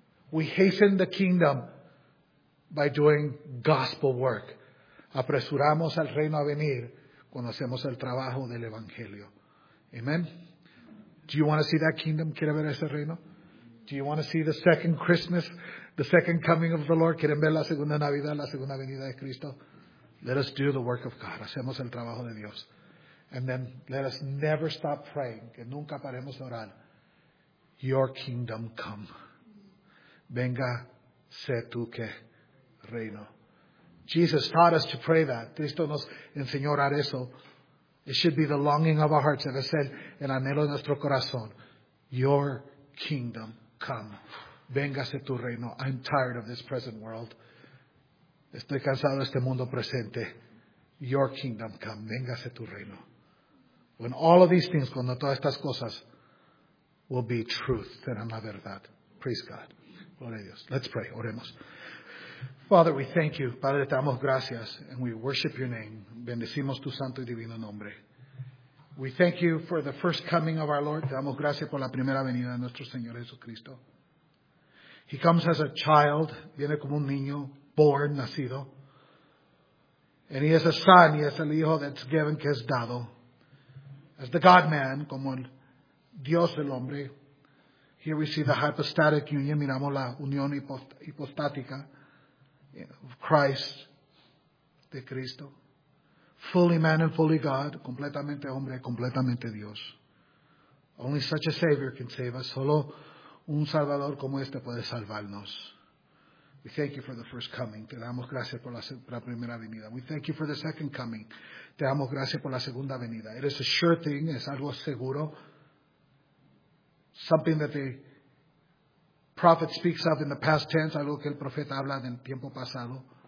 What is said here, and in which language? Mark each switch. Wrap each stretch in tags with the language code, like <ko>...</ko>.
<en>We hasten the kingdom by doing gospel work.</en> <es>Apresuramos al reino a venir cuando hacemos el trabajo del evangelio.</es> <en>Amen. Do you want to see that kingdom?</en> <es>¿Quiere ver ese reino?</es> <en>Do you want to see the second Christmas, the second coming of the Lord?</en> <es>¿Quieren ver la segunda Navidad, la segunda venida de Cristo?</es> <en>Let us do the work of God.</en> <es>Hacemos el trabajo de Dios.</es> <en>And then let us never stop praying.</en> <es>Que nunca paremos de orar.</es> <en>Your kingdom come.</en> <es>Venga, sé tú que reino.</es> <en>Jesus taught us to pray that.</en> <es>Cristo nos enseñó a orar eso.</es> <en>It should be the longing of our hearts.</en> <es>Debe ser el anhelo de nuestro corazón.</es> <en>Your kingdom come.</en> <es>Venga, sé tu reino.</es> <en>I'm tired of this present world.</en> <es>Estoy cansado de este mundo presente.</es> <en>Your kingdom come.</en> <es>Venga, sé tu reino.</es> <en>When all of these things,</en> <es>cuando todas estas cosas,</es> <en>will be truth,</en> <es>serán la verdad.</es> <en>Praise God.</en> <es>Gloria a Dios.</es> <en>Let's pray.</en> <es>Oremos.</es> <en>Father, we thank you.</en> <es>Padre, te damos gracias.</es> <en>And we worship your name.</en> <es>Bendecimos tu santo y divino nombre.</es> <en>We thank you for the first coming of our Lord.</en> <es>Te damos gracias por la primera venida de nuestro Señor Jesucristo.</es> <en>He comes as a child.</en> <es>Viene como un niño.</es> <en>born,</en> <es>nacido.</es> <en>And he is a son, he is</en> <es>el hijo</es> <en>that's given,</en> <es>que es dado.</es> <en>As the God-man,</en> <es>como el Dios del hombre.</es> <en>Here we see the hypostatic union,</en> <es>miramos la unión hipostática</es> <en>of Christ,</en> <es>de Cristo.</es> <en>Fully man and fully God,</en> <es>completamente hombre, completamente Dios.</es> <en>Only such a Savior can save us.</en> <es>Solo un Salvador como este puede salvarnos.</es> <en>We thank you for the first coming.</en> <es>Te damos gracias por la primera venida.</es> <en>We thank you for the second coming.</en> <es>Te damos gracias por la segunda venida.</es> <en>It is a sure thing.</en> <es>Es algo seguro.</es> <en>Something that the prophet speaks of in the past tense.</en> <es>Algo que el profeta habla del tiempo pasado.</es>